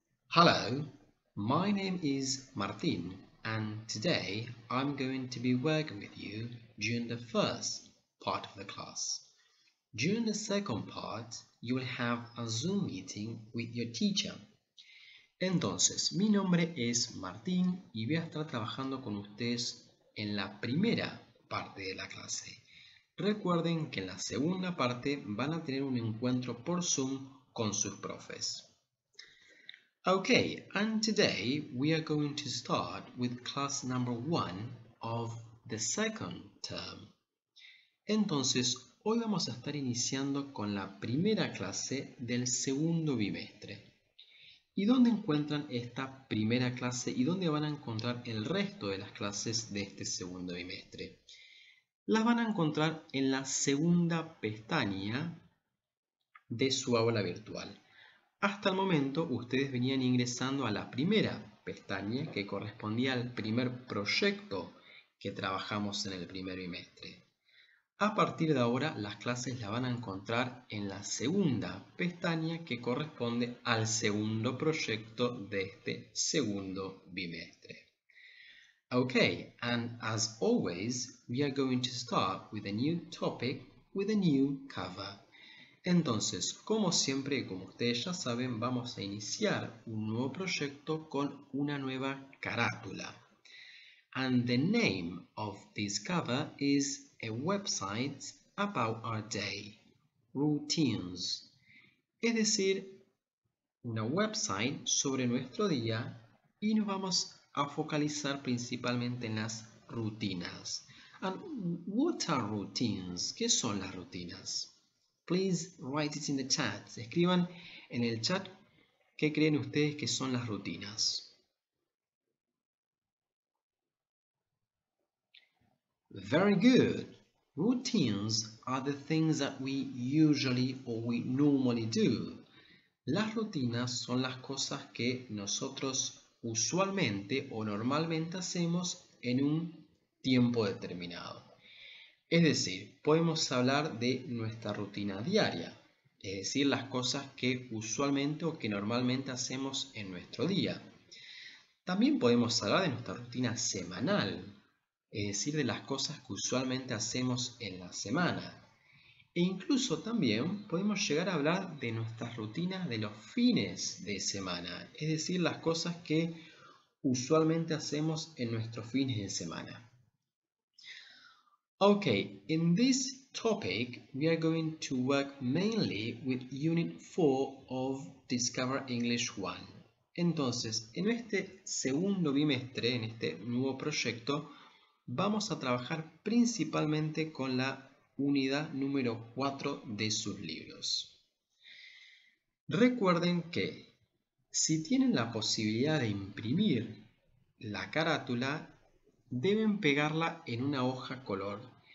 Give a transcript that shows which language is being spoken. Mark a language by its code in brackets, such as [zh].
[en] Hello, my name is Martin, and today I'm going to be working with you during the first part of the class. During the second part, you will have a Zoom meeting with your teacher. [es] Entonces, mi nombre es Martin y voy a estar trabajando con ustedes en la primera parte de la clase. Recuerden que en la segunda parte van a tener un encuentro por Zoom con sus profes. [en] Okay, and today we are going to start with class number one of the second term. [es] Entonces, hoy vamos a estar iniciando con la primera clase del segundo bimestre. ¿Y dónde encuentran esta primera clase y dónde van a encontrar el resto de las clases de este segundo bimestre? Las van a encontrar en la segunda pestaña de su aula virtual. Hasta el momento ustedes venían ingresando a la primera pestaña que correspondía al primer proyecto que trabajamos en el primer bimestre. A partir de ahora las clases las van a encontrar en la segunda pestaña que corresponde al segundo proyecto de este segundo bimestre. [en] Okay, and as always, we are going to start with a new topic with a new cover. [es] Entonces, como siempre y como ustedes ya saben, vamos a iniciar un nuevo proyecto con una nueva carátula. [en] And the name of this cover is a website about our day, routines. [es] Es decir, una website sobre nuestro día y nos vamos a focalizar principalmente en las rutinas. [en] And what are routines? [es] ¿Qué son las rutinas? [en] Please write it in the chat. [es] Escriban en el chat qué creen ustedes que son las rutinas. [en] Very good. Routines are the things that we usually or we normally do. [es] Las rutinas son las cosas que nosotros usualmente o normalmente hacemos en un tiempo determinado. Es decir, podemos hablar de nuestra rutina diaria, es decir, las cosas que usualmente o que normalmente hacemos en nuestro día. También podemos hablar de nuestra rutina semanal, es decir, de las cosas que usualmente hacemos en la semana. E incluso también podemos llegar a hablar de nuestras rutinas de los fines de semana, es decir, las cosas que usualmente hacemos en nuestros fines de semana. [en] Okay, in this topic, we are going to work mainly with Unit 4 of Discover English 1. [es] Entonces, en este segundo bimestre, en este nuevo proyecto, vamos a trabajar principalmente con la unidad número 4 de sus libros. Recuerden que si tienen la posibilidad de imprimir la carátula, deben pegarla en una hoja color.